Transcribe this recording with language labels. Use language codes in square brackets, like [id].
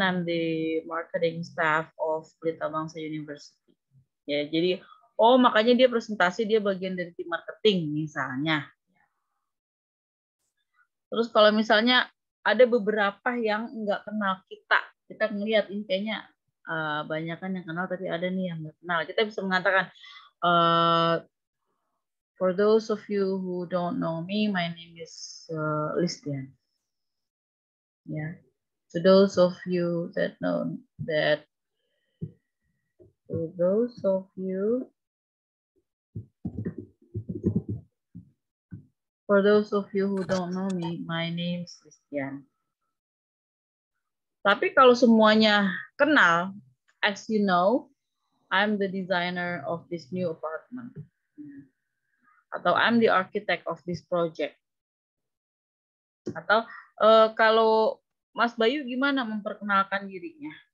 [en] I'm the marketing staff of Pelita Bangsa University. [id] Ya, jadi, oh makanya dia presentasi dia bagian dari tim marketing misalnya. Terus kalau misalnya ada beberapa yang nggak kenal kita, kita ngelihat ini kayaknya banyak kan yang kenal, tapi ada nih yang nggak kenal. Kita bisa mengatakan, [en] for those of you who don't know me, my name is Listian. Yeah. To those of you that know that, for those of you, for those of you who don't know me, my name is Christian. [id] Tapi kalau semuanya kenal, [en] as you know, I'm the designer of this new apartment. Atau I'm the architect of this project. [id] Atau kalau Mas Bayu gimana memperkenalkan dirinya?